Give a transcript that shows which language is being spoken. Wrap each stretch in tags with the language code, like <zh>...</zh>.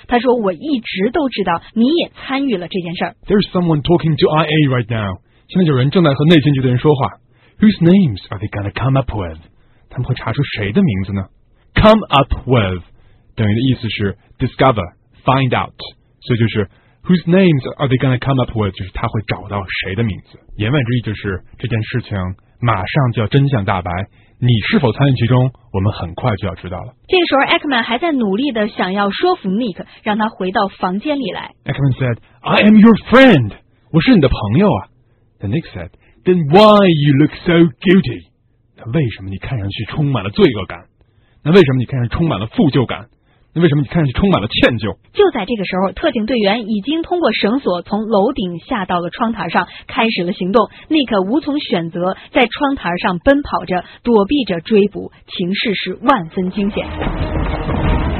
<zh>他说，我一直都知道你也参与了这件事。</zh> <en>There's someone talking to IA right now.</en> <zh>现在有人正在和内奸局的人说话。</zh> <en>Whose names are they gonna come up with?</en> <zh>他们会查出谁的名字呢？</zh> <en>Come up with</en> <zh>等于的意思是</zh> <en>discover, find out，</en> <zh>所以就是</zh> <en>Whose names are they gonna come up with，</en> <zh>就是他会找到谁的名字。言外之意就是这件事情马上就要真相大白，你是否参与其中，我们很快就要知道了。这个时候 Ackman 还在努力的想要说服 Nick 让他回到房间里来。</zh> <en>Ackman said, I am your friend，</en> <zh>我是你的朋友啊。</zh> <en>Then Nick said, Then why you look so guilty？</en> <zh>那为什么你看上去充满了罪恶感？那为什么你看上去充满了负疚感？那为什么你看上去充满了歉疚？就在这个时候，特警队员已经通过绳索从楼顶下到了窗台上，开始了行动。 Nick 无从选择，在窗台上奔跑着，躲避着追捕，情势是万分惊险。</zh>